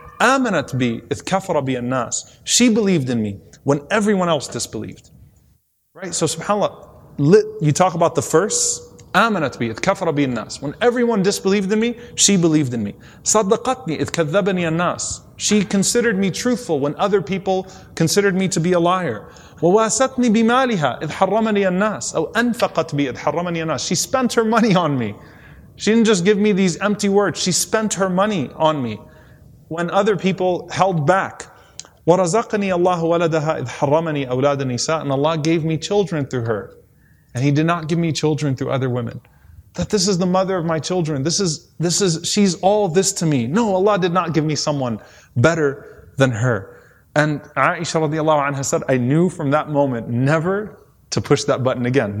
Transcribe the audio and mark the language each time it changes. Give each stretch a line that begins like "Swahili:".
Arabic: Amanat bi ith kafara bi an-nas.
English: She believed in me when everyone else disbelieved. Right? So subhanAllah, You talk about the firsts.
Arabic: آمنت بي إذ كفر بي الناس.
English: When everyone disbelieved in me, she believed in me.
Arabic: صدقتني إذ كذبني الناس.
English: She considered me truthful when other people considered me to be a liar.
Arabic: وواستني بمالها إذ حرمني الناس. أو أنفقت بي إذ حرمني الناس.
English: She spent her money on me. She didn't just give me these empty words. She spent her money on me when other people held back.
Arabic: ورزقني الله ولدها إذ حرمني أولاد النساء.
English: And Allah gave me children through her. And he did not give me children through other women. That this is the mother of my children. This is, she's all this to me. No, Allah did not give me someone better than her. And Aisha radiallahu anha said, I knew from that moment never to push that button again.